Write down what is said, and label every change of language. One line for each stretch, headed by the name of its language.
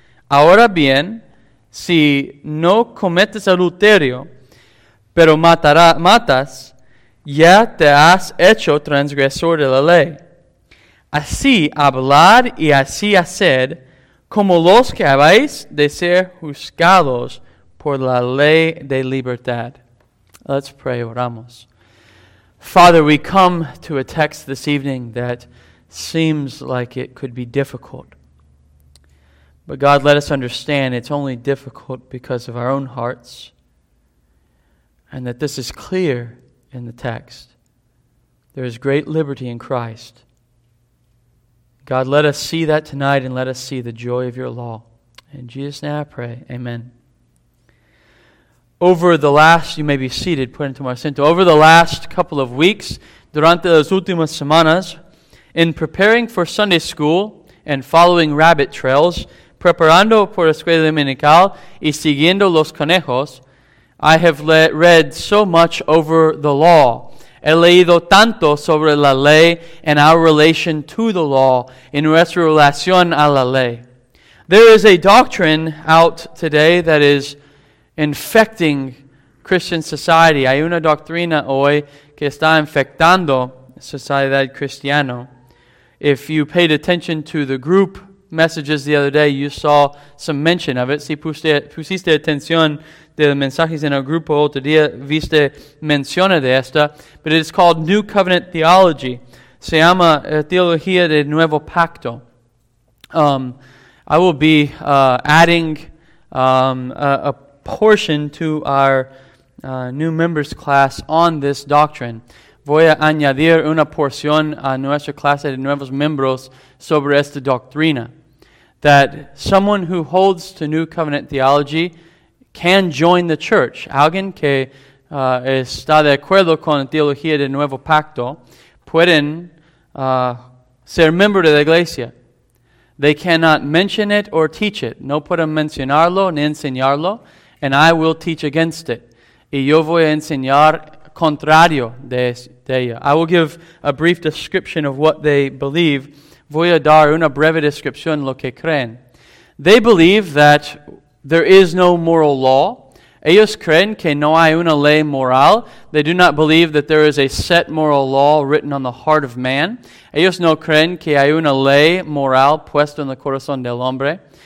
Spanish: Ahora bien, si no cometes adulterio, pero matas, ya te has hecho transgresor de la ley. Así hablad y así haced, como los que habéis de ser juzgados por la ley de libertad.
English: Let's pray,
Spanish: oramos.
English: Father, we come to a text this evening that seems like it could be difficult. But God, let us understand it's only difficult because of our own hearts, and that this is clear in the text. There is great liberty in Christ. God, let us see that tonight and let us see the joy of your law. In Jesus' name I pray, amen. You may be seated, put into my center. Over the last couple of weeks,
Spanish: durante las últimas semanas,
English: in preparing for Sunday school and following rabbit trails,
Spanish: preparando por escuela dominical y siguiendo los conejos,
English: I have read so much over the law.
Spanish: He leído tanto sobre la ley
English: and our relation to the law
Spanish: en nuestra relación a la ley.
English: There is a doctrine out today that is infecting Christian society.
Spanish: Hay una doctrina hoy que está infectando sociedad cristiana.
English: If you paid attention to the group messages the other day, you saw some mention of it.
Spanish: Si pusiste atención de mensajes en el grupo otro día, viste menciona de esta,
English: but it is called New Covenant Theology.
Spanish: Se llama Teología de Nuevo Pacto.
English: I will be adding a portion to our new members class on this doctrine.
Spanish: Voy a añadir una porción a nuestra clase de nuevos miembros sobre esta doctrina.
English: That someone who holds to New Covenant Theology can join the church.
Spanish: Alguien que está de acuerdo con la teología del Nuevo Pacto pueden ser miembro de la iglesia.
English: They cannot mention it or teach it.
Spanish: No pueden mencionarlo ni enseñarlo.
English: And I will teach against it.
Spanish: Y yo voy a enseñar contrario de ella.
English: I will give a brief description of what they believe.
Spanish: Voy a dar una breve descripción lo que creen.
English: They believe that there is no moral law.
Spanish: Ellos creen que no hay una ley moral.
English: They do not believe that there is a set moral law written on the heart of man.
Spanish: Ellos no creen que hay una ley moral puesta en el corazón del hombre.